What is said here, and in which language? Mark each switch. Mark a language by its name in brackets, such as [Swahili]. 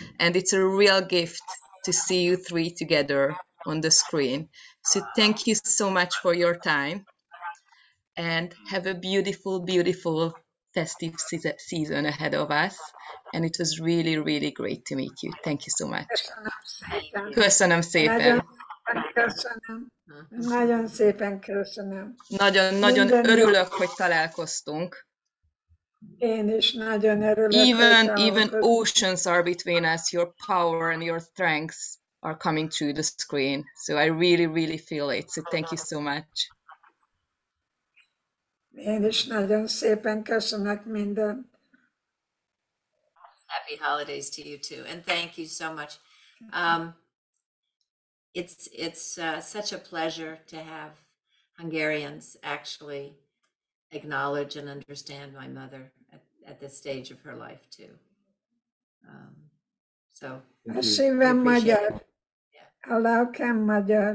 [English] And it's a real gift to see you three together on the screen. So thank you so much for your time and have a beautiful, beautiful festive season ahead of us. And it was really, really great to meet you. Thank you so much. [Hungarian] Köszönöm szépen. Köszönöm szépen. Nagyon szépen köszönöm. Nagyon-nagyon örülök, hogy találkoztunk. Én is nagyon örülök. [English] Even oceans are between us. Your power and your strengths are coming through the screen. So I really, really feel it. So thank you so much. [Hungarian] Én is nagyon szépen köszönök minden. [English] Happy holidays to you too, and thank you so much. It's such a pleasure to have Hungarians actually acknowledge and understand my mother at this stage of her life too. So [Hungarian] szívem magyar, a lelkem magyar.